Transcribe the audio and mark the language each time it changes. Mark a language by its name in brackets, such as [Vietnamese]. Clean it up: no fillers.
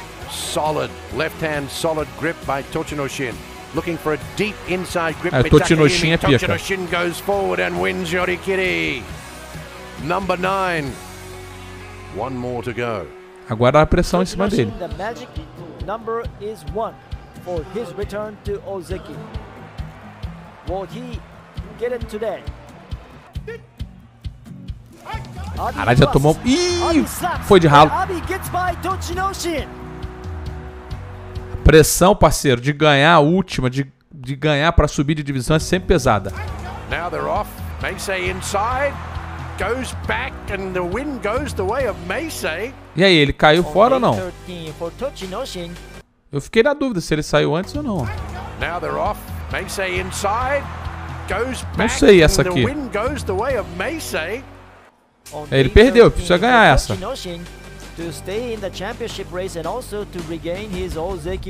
[English] Solid left hand solid grip by Tochinoshin. Looking for a deep inside grip. [Portuguese] Tochinoshin é pica. [English] Tochinoshin goes forward and wins Yorikiri. Number 9. One more to go. [Portuguese] Agora a pressão em cima dele. [English] The magic number is 1 for his return to Ozeki. Will he get it today? [Portuguese] Cara, já tomou. Ih, foi de ralo. [English] Abi gets by Tochinoshin. [Portuguese] Pressão, parceiro, de ganhar a última, de ganhar para subir de divisão é sempre pesada. [English] Now they're off. Meisei inside. Goes back and the wind goes the way of Meisei. [Portuguese] E aí, ele caiu fora ou não? [English] 13 for Tochinoshin. [Portuguese] Eu fiquei na dúvida se ele saiu antes ou não. [English] Now they're off. Meisei inside. Goes back. [Portuguese] Não sei essa aqui. [English] The wind goes the way of Meisei. [Portuguese] Ele perdeu, precisa ganhar essa. [English] To stay in the championship race and also to regain his Ozeki.